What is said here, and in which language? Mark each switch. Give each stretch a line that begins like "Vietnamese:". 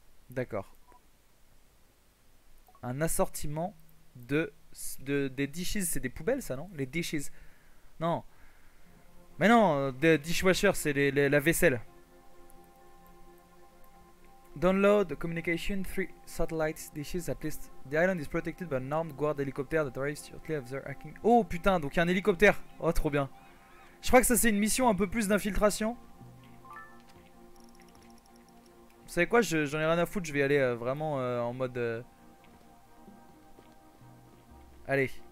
French: D'accord. Un assortiment des dishes, c'est des poubelles ça, non? Les dishes. Non. Mais non, des dishwasher, c'est la vaisselle.
English: Download communication 3 satellites dishes at least. The island is protected by an armed guard helicopter that arrives shortly after hacking.
French: Oh putain, donc il y a un hélicoptère. Oh trop bien. Je crois que ça c'est une mission un peu plus d'infiltration. Vous savez quoi, j'en ai rien à foutre, je vais y aller vraiment en mode. Allez.